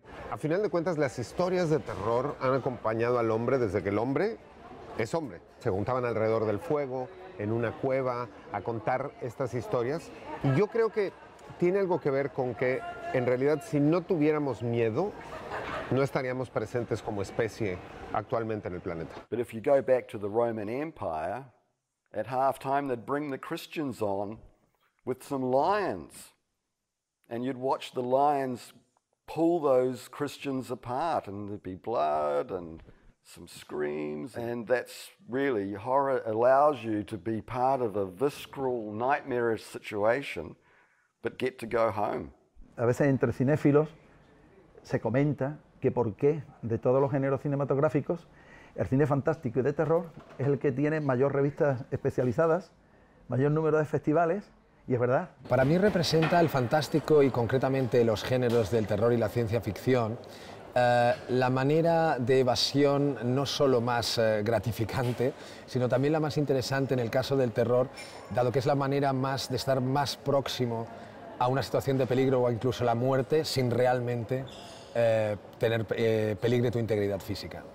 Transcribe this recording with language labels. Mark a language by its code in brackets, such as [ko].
[es] A final de cuentas, las historias de terror han acompañado al hombre desde que el hombre es hombre. Se juntaban alrededor del fuego, en una cueva, a contar estas historias. Y yo creo que tiene algo que ver con que, en realidad, si no tuviéramos miedo, no estaríamos presentes como especie actualmente en el planeta. [en] But if you go back to the Roman Empire, at halftime they'd bring the Christians on with some lions. And you'd watch the lions pull those Christians apart, and there'd be blood and some screams. And that's really, horror allows you to be part of a visceral, nightmarish situation, but get to go home. [es] A veces entre cinéfilos se comenta que por qué de todos los géneros cinematográficos, el cine fantástico y de terror es el que tiene mayor revistas especializadas, mayor número de festivales. Y es verdad. Para mí representa el fantástico y concretamente los géneros del terror y la ciencia ficción la manera de evasión no solo más gratificante, sino también la más interesante en el caso del terror, dado que es la manera más de estar más próximo a una situación de peligro o incluso la muerte sin realmente tener peligro de tu integridad física.